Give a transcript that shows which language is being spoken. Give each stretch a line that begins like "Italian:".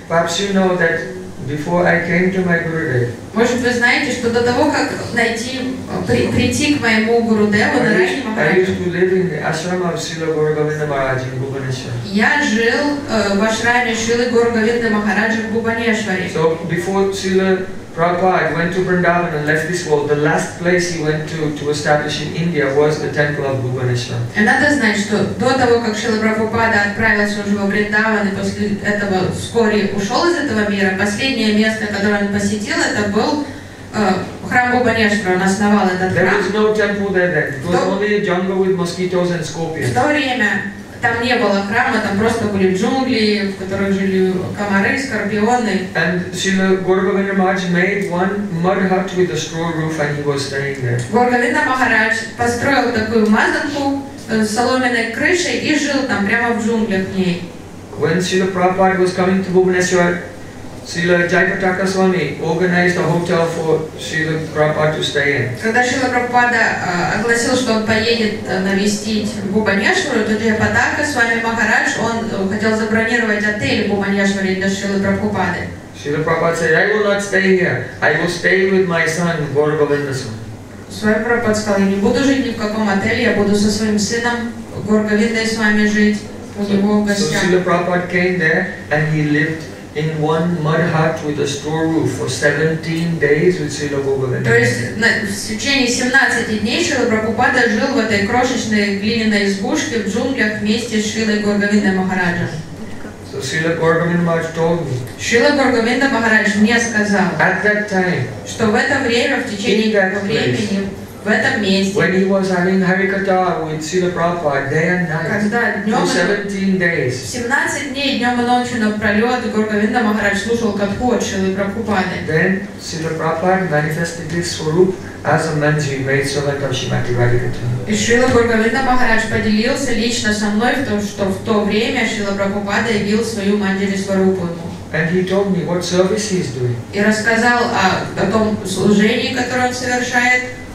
English: Perhaps you know that before I came to my Gurudev.
Russian: Может, вы знаете, что до того, как прийти к моему Гурудеву на Раджа Махараджа, я жил в ашраме Шрилы Гаур-Говинды Махараджа в Бхубанешваре.
English: So before Srila Prabhupada went to Vrindavan and left this world, the last place he went to establish in India was the temple of Bhubaneswar.
Russian: И надо знать, что до того, как Шрила Прабхупада отправился уже во Вриндаван и после этого вскоре ушел из этого мира, последнее место, которое он посетил, это был храм Бхубанешвара, он основал этот храм.
English: There was no temple there then. It was only a jungle with mosquitoes and scorpions.
Russian: В то время там не было храма, там просто были джунгли, в которых жили комары, скорпионы.
English: And Srila Gaur-Govinda Maharaj made one mud hut with a straw roof and he was staying there.
Russian: Gaur-Govinda Maharaj построил такую мазанку с соломенной крышей и жил там прямо в джунглях в ней.
English: When Srila Prabhupada was coming to Bhubaneswar, Srila Jayaprataka Swami organized a hotel for Srila Prabhupada to stay in.
Russian: Когда Шрила Прабхупада огласил, что он поедет навестить Бхубанешвару, то Джайапатака Свами Махарадж, он хотел забронировать отель в Бхубанешваре для Шрилы Прабхупады.
English: Srila Prabhupada said, I will not stay here. I will stay with my son, Gaur Govinda Swami.
Russian: Свами Прабхупада сказал, я не буду жить ни в каком отеле, я буду со своим сыном Гаур Говиндой Свами жить у него в гостях.
English: So Srila Prabhupada came there and he lived in one mud hut with a straw roof for 17 days with Srila Gaur-Govinda.
Russian: То есть в течение 17 дней Шрила Прабхупада жил в этой крошечной глиняной избушке в джунглях вместе с Шрилой Гаур-Говиндой Махараджа.
English: So Srila Gaur-Govinda Maharaj told me.
Russian: Шрила Гаур-Говинда Махарадж мне сказал.
English: At that time.
Russian: Что в это время, в течение этого времени, в этом месте.
English: When he was having Harikatha with Srila Prabhupada day and night for 17 days.
Russian: 17 дней днем и ночью напролет Гаур-Говинда Махарадж слушал катху от Шрилы Прабхупады.
English: Then Srila Prabhupada manifested this swarup as a Manjari maid servant of Srimati Radhikatha.
Russian: И Шрила Гаур-Говинда Махарадж поделился лично со мной в том, что в то время Шрила Прабхупада явил свою Манджари сварупу.
English: And he told me what service he is doing.
Russian: И рассказал о том служении, которое он совершает.